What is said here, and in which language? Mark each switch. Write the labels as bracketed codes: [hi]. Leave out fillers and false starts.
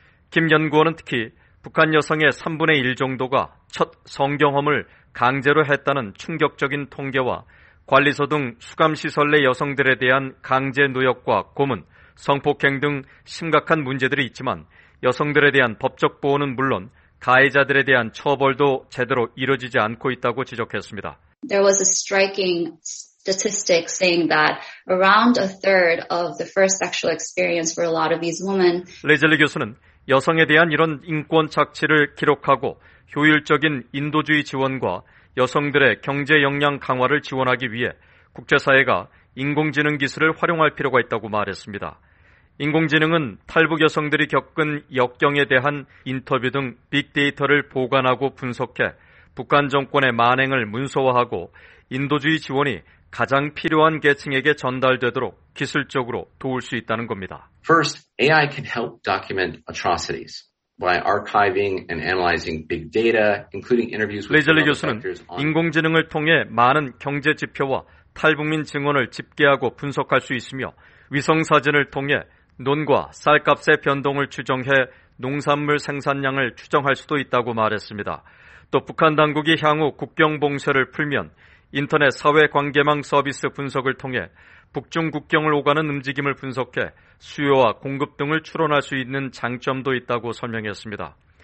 [ko] 김 연구원은 특히 북한 여성의 3분의 1 정도가 첫 성경험을 강제로 했다는 충격적인 통계와 관리소 등 수감시설 내 여성들에 대한 강제 노역과 고문, 성폭행 등 심각한 문제들이 있지만 여성들에 대한 법적 보호는 물론 가해자들에 대한 처벌도 제대로 이루어지지 않고 있다고 지적했습니다. [en] There was a striking statistic saying that around a third of the first sexual experience for a lot of these women. [ko] 레젤리 교수는 여성에 대한 이런 인권 착취를 기록하고 효율적인 인도주의 지원과 여성들의 경제 역량 강화를 지원하기 위해 국제사회가 인공지능 기술을 활용할 필요가 있다고 말했습니다. 인공지능은 탈북 여성들이 겪은 역경에 대한 인터뷰 등 빅데이터를 보관하고 분석해 북한 정권의 만행을 문서화하고 인도주의 지원이 가장 필요한 계층에게 전달되도록 기술적으로 도울 수 있다는 겁니다. [en] First, AI can help document atrocities by archiving and analyzing big data, including interviews with the researchers. [ko] 인공지능을 통해 많은 경제 지표와 탈북민 증언을 집계하고 분석할 수 있으며 위성사진을 통해 논과 쌀값의 변동을 추정해 농산물 생산량을 추정할 수도 있다고 말했습니다. 또 북한 당국이 향후 국경 봉쇄를 풀면 인터넷 사회관계망 서비스 분석을 통해 북중 국경을 오가는 움직임을 분석해 수요와 공급 등을 추론할 수 있는 장점도 있다고 설명했습니다.